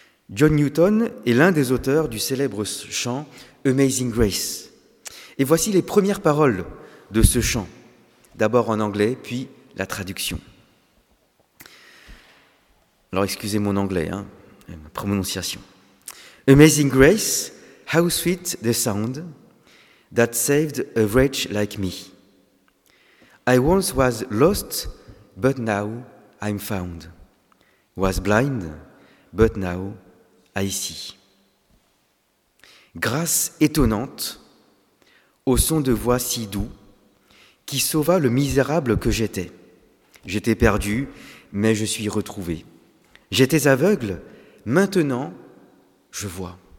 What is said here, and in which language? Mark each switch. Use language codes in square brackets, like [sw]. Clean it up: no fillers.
[fr] John Newton est l'un des auteurs du célèbre chant « Amazing Grace ». Et voici les premières paroles de ce chant, d'abord en anglais, puis la traduction. Alors, excusez mon anglais, ma prononciation. [en] « Amazing Grace, how sweet the sound that saved a wretch like me. I once was lost, but now I'm found. Was blind, but now I see. [fr] » Grâce étonnante, au son de voix si doux, qui sauva le misérable que j'étais. J'étais perdu, mais je suis retrouvé. J'étais aveugle, maintenant je vois.